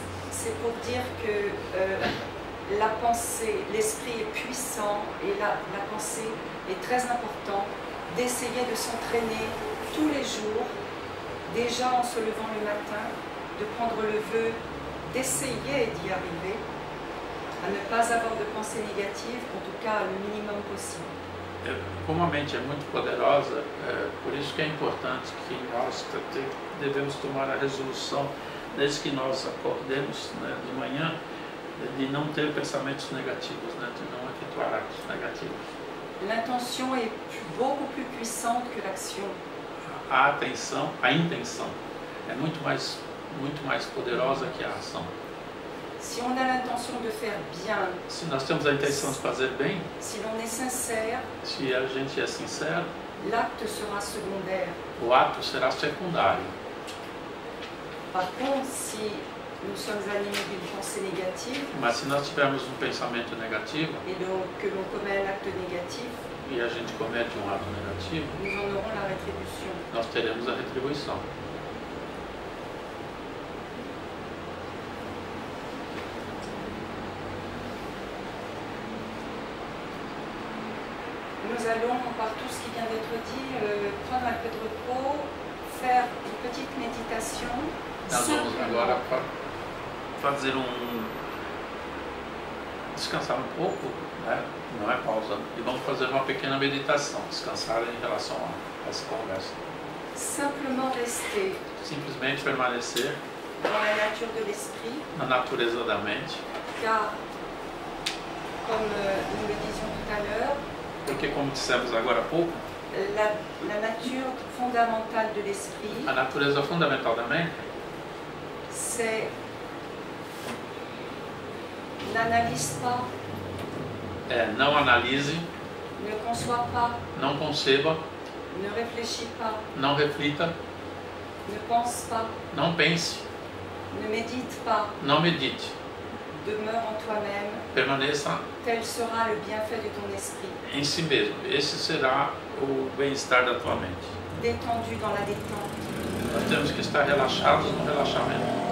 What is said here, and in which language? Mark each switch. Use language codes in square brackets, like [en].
[fr] C'est pour dire que la pensée, l'esprit est puissant et la pensée est très importante, d'essayer de s'entraîner tous les jours, déjà en se levant le matin, de prendre le vœu d'essayer d'y arriver, à ne pas avoir de pensée négative, en tout cas le minimum possible. [pt] Como a mente é muito poderosa, por isso que é importante que nós devemos tomar a resolução, desde que nós acordemos, né, de manhã, de não ter pensamentos negativos, né, de não efetuar atos negativos. [fr] L'intention est beaucoup plus puissante que l'action. [pt] A intenção é muito mais poderosa que a ação. [fr] Si on a l'intention de faire bien, [pt] si nós temos a intenção de fazer bem, [fr] si l'on est sincère, [pt] si a gente é sincero, [fr] l'acte sera secondaire. [pt] O ato será secundário. [fr] Par contre, si nous sommes animés d'une pensée négative, [pt] mas se nós tivermos pensamento negativo, [fr] et donc que l'on commet un acte négatif, [pt] e a gente comete ato negativo, [fr] nous en aurons la rétribution. [pt] Nós teremos a retribuição. [fr] Nous allons, par tout ce qui vient d'être dit, prendre un peu de repos, faire une petite méditation. Nous allons [pt] agora fazer descansar um pouco, né? Não é pausa. E vamos fazer uma pequena meditação, descansar em relação a essa conversa. [fr] Simplement rester. [pt] Simplesmente permanecer. [fr] Dans la nature de l'esprit. [pt] Na natureza da mente. [fr] Car, comme nous le disions tout à l'heure. [pt] Porque, como dissemos agora há pouco, [fr] la nature fondamentale de l'esprit, [pt] a natureza fundamental da mente, [fr] c'est n'analyse pas, [pt] não analise, [fr] ne conçoit pas, [pt] não conceba, [fr] ne réfléchit pas, [pt] não reflita, [fr] ne pense pas, [pt] não pense, [fr] ne médite pas, [pt] não medite. [fr] Demeure en toi-même. [pt] Permaneça. [fr] Tel sera le bienfait de ton esprit. [pt] Em si mesmo. Esse será o bem-estar da tua mente. [fr] Détendu dans la détente. [pt] Nós temos que estar relaxados no relaxamento.